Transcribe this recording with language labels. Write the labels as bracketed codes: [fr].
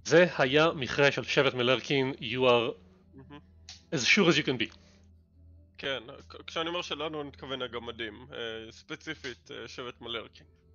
[he] זה היה מכרה של שבט מלרקין. [en] You are as sure as you can be. [he] כן, כשאני אומר שלנו אני מתכוון הגמדים, ספציפית שבט מלרקין.